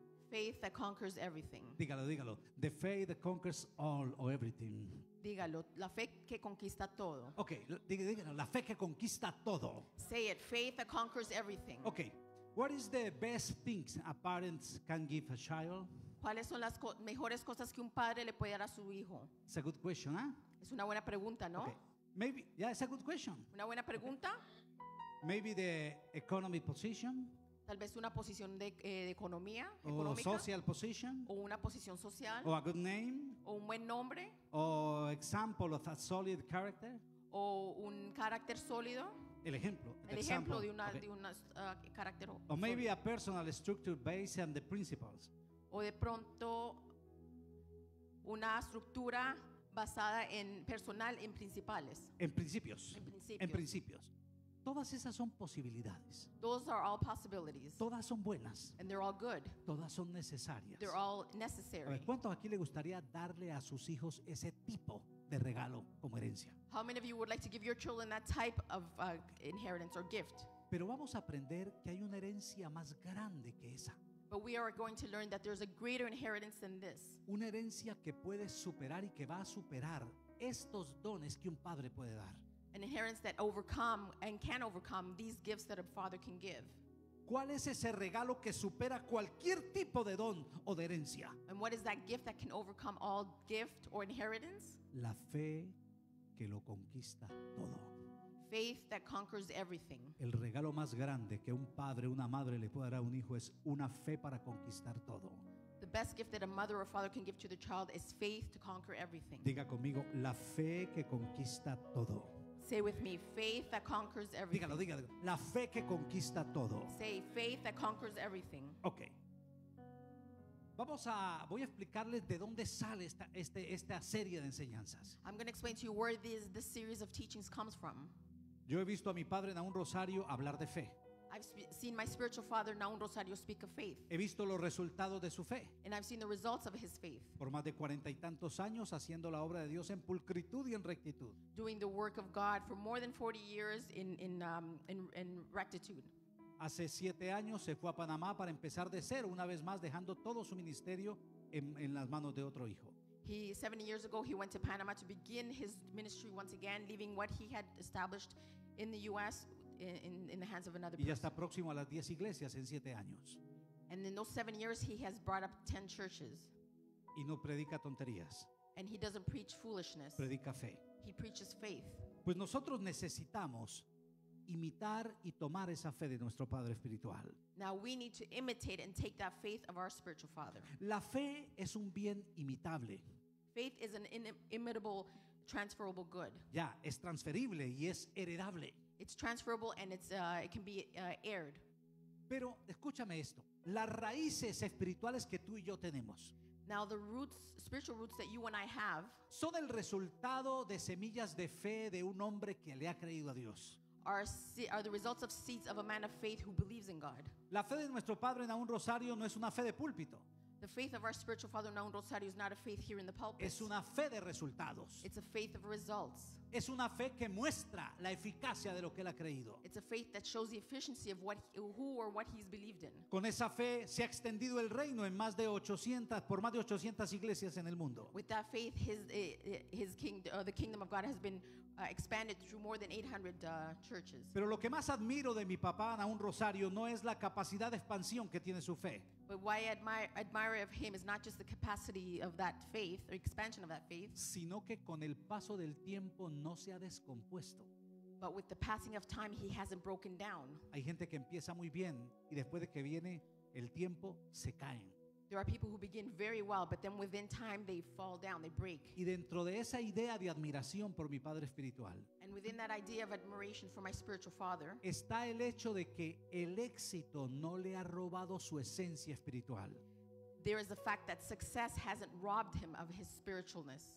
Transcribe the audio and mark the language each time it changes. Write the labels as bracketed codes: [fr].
[en] Faith that conquers everything. [es] Dígalo, dígalo. [en] The faith that conquers all or everything. [es] Dígalo, la fe que conquista todo. Okay, dígalo, la fe que conquista todo. [en] Say it, faith that conquers everything. Okay, what is the best things a parent can give a child? [es] ¿Cuáles son las mejores cosas que un padre le puede dar a su hijo? [en] It's a good question, huh? [es] Es una buena pregunta, ¿no? [en] Okay. Maybe, yeah, it's a good question. [es] Una buena pregunta. [en] Maybe the economy position. [es] Tal vez una posición de economía. [en] O social position. [es] O una posición social. [en] O a good name. [es] O un buen nombre. O example of a solid character. O un carácter sólido. El ejemplo. El ejemplo de una, okay, de un carácter. [en] O maybe a personal structure based on the principles. [es] O de pronto una estructura basada en personal, en principales. En principios. En principios. En principios. Todas esas son posibilidades. [en] Those are all possibilities. [es] Todas son buenas. [en] And they're all good. [es] Todas son necesarias. [en] They're all necessary. [es] A ver, ¿cuántos aquí le gustaría darle a sus hijos ese tipo de regalo como herencia? [en] How many of you would like to give your children that type of inheritance or gift? [es] Pero vamos a aprender que hay una herencia más grande que esa. [en] But we are going to learn that there's a greater inheritance than this. [es] Una herencia que puede superar y que va a superar estos dones que un padre puede dar. [en] An inheritance that overcome and can overcome these gifts that a father can give. [es] ¿Cuál es ese regalo que supera cualquier tipo de don o de herencia? [en] And what is that gift that can overcome all gift or inheritance? [es] La fe que lo conquista todo. [en] Faith that conquers everything. [es] El regalo más grande que un padre, una madre le puede dar a un hijo es una fe para conquistar todo. [en] The best gift that a mother or father can give to the child is faith to conquer everything. [es] Diga conmigo, la fe que conquista todo. [en] Say with me, faith that conquers everything. [es] Dígalo, dígalo. La fe que conquista todo. [en] Say, faith that conquers everything. Okay. [es] Voy a explicarles de dónde sale esta serie de enseñanzas. [en] I'm going to explain to you where this series of teachings comes from. [es] Yo he visto a mi padre Naun Rosario hablar de fe. [en] I've seen my spiritual father Naun Rosario speak of faith. [es] He visto los resultados de su fe. [en] And I've seen the results of his faith. [es] Por más de 40 y tantos años haciendo la obra de Dios en pulcritud y en rectitud. [en] Doing the work of God for more than 40 years in rectitude. [es] Hace 7 años se fue a Panamá para empezar de cero, una vez más dejando todo su ministerio en las manos de otro hijo. [en] 70 years ago he went to Panama to begin his ministry once again, leaving what he had established in the U.S. in the hands of another person. [es] Y ya está próximo a las 10 iglesias en 7 años. [en] And in those 7 years he has brought up 10 churches. [es] Y no predica tonterías. [en] And he doesn't preach foolishness. [es] Predica fe. [en] He preaches faith. [es] Pues nosotros necesitamos imitar y tomar esa fe de nuestro padre espiritual. [en] Now we need to imitate and take that faith of our spiritual father. [es] La fe es un bien imitable. [en] Faith is an inimitable, transferable good. [es] Ya, es transferible y es heredable. [en] It's transferable and it can be heired. [es] Pero escúchame esto, las raíces espirituales que tú y yo tenemos. [en] Now the roots, spiritual roots that you and I have, [es] son el resultado de semillas de fe de un hombre que le ha creído a Dios. [en] Are the results of seeds of a man of faith who believes in God. [es] La fe de nuestro padre Naun Rosario no es una fe de púlpito. [en] The faith of our spiritual father Naun Rosario is not a faith here in the pulpit. [es] Es una fe de resultados. [en] It's a faith of results. [es] Es una fe que muestra la eficacia de lo que él ha creído. [en] It's a faith that shows the efficiency of who or what he's believed in. [es] Con esa fe se ha extendido el reino en más de 800 por más de 800 iglesias en el mundo. [en] With that faith the kingdom of God has been expanded through more than 800 churches. [es] Pero lo que más admiro de mi papá Naun Rosario no es la capacidad de expansión que tiene su fe. [en] But why I admire of him is not just the capacity of that faith or expansion of that faith, [es] sino que con el paso del tiempo no se ha descompuesto. [en] But with the passing of time he hasn't broken down. [es] Hay gente que empieza muy bien y después de que viene el tiempo se caen. [en] There are people who begin very well but then within time they fall down, they break. [es] Y dentro de esa idea de admiración por mi padre espiritual, [en] and within that idea of admiration for my spiritual father, [es] está el hecho de que el éxito no le ha robado su esencia espiritual. [en] There is the fact that success hasn't robbed him of his spiritualness.